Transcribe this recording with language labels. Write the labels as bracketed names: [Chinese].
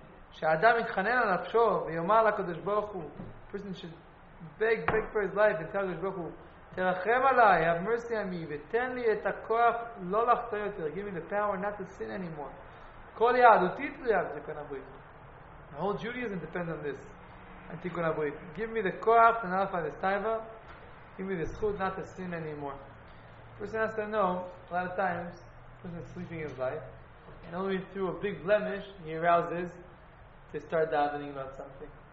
[Hebrew] שאדם יתחנן על נפשו ויאמר לקדוש ברוך הוא, [English] person should beg for his life and tell the Lord, [Hebrew] תרחם עליי, [English] have mercy on me, [Hebrew] ותן לי את הכוח לא לחטוא יותר, [English] give me the power not to sin anymore. [Hebrew] כל יהדותי תלויה בתיקון הברית. [English] The whole Judaism depends on this, on תיקון הברית. Give me the כוח to nullify this taiva, give me the זכות not to sin anymore. Person has to know, a lot of times, person is sleeping his life, and only through a big blemish, he arouses, they start davening about something.